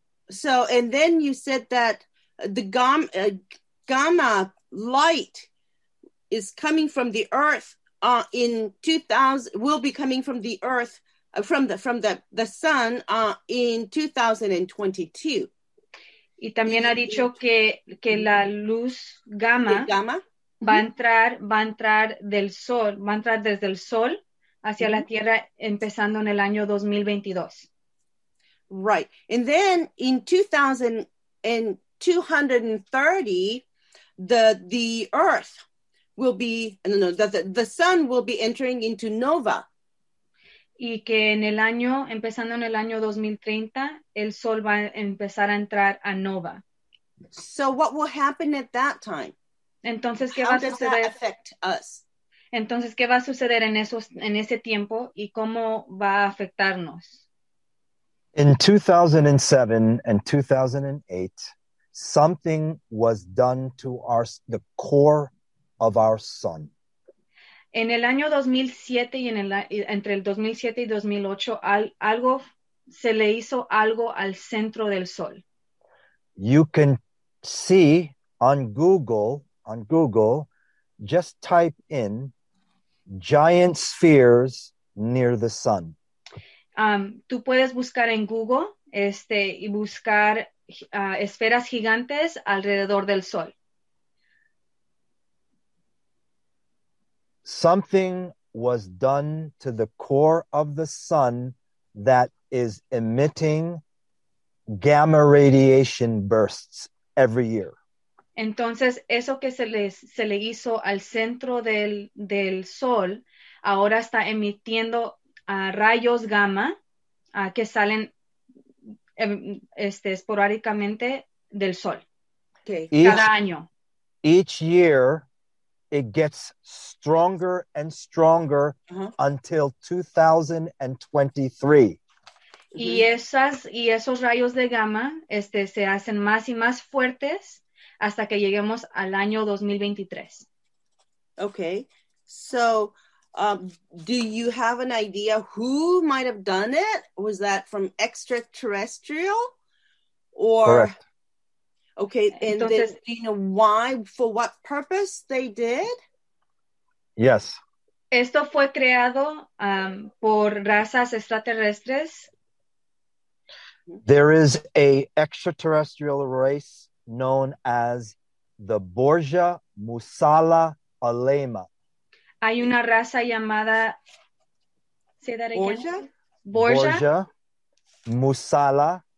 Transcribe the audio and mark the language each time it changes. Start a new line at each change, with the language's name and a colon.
English: So, and then you said that the gamma light is coming from the earth in 2000, will be coming from the earth, from the sun in 2022.
Spanish: Y también ha dicho que la luz gamma. Va a entrar desde el sol hacia la tierra empezando en el año 2022.
English: Right. And then in 2230, the earth will be, the sun will be entering into nova.
Spanish: Y que en el año, empezando en el año 2030, el sol va a empezar a entrar a nova.
English: So what will happen at that time?
Spanish: Entonces, ¿qué va a suceder? Entonces, ¿qué va a suceder en esos, en ese tiempo y cómo va a afectarnos?
English: In 2007 and 2008, something was done to the core of our sun.
Spanish: En el año 2007 y entre el 2007 y 2008, algo se le hizo algo al centro del sol.
English: You can see on Google. On Google, just type in giant spheres near the sun.
Spanish: Tú puedes buscar en Google y buscar esferas gigantes alrededor del sol.
English: Something was done to the core of the sun that is emitting gamma radiation bursts every year.
Spanish: Entonces, eso que se le hizo al centro del sol, ahora está emitiendo rayos gamma que salen esporádicamente del sol.
English: Okay.
Spanish: Cada año.
English: Each year, it gets stronger and stronger until 2023.
Spanish: Y, esos rayos de gamma se hacen más y más fuertes hasta que lleguemos al año 2023.
English: Okay. So, do you have an idea who might have done it? Was that from extraterrestrial? Or correct. Okay, and entonces, do you know why, for what purpose they did? Yes.
Spanish: Esto fue creado por razas extraterrestres.
English: There is a extraterrestrial race known as the Borgia Musala Alema.
Spanish: Hay una raza llamada,
English: say that again.
Spanish: Borgia Musala.